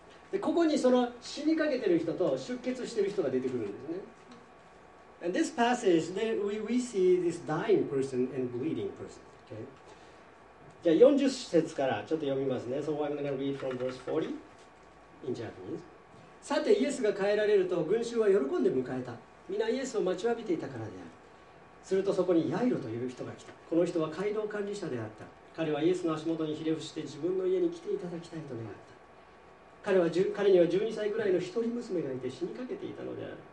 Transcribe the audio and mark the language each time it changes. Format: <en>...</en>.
<ja>でここにその死にかけてる人と出血してる人が出てくるんですね。</ja> <en>And this passage, then we see this dying person and bleeding person. Okay.</en> <ja>じゃあ40節からちょっと読みますね。</ja> <en>So I'm going to read from verse 40 in Japanese.</en> <ja>さてイエスが帰られると群衆は喜んで迎えた。みなイエスを待ちわびていたからである。するとそこにヤイロという人が来た。この人は街道管理者であった。彼はイエスの足元にひれ伏して自分の家に来ていただきたいと願った。彼には12歳ぐらいの一人娘がいて死にかけていたのである。</ja>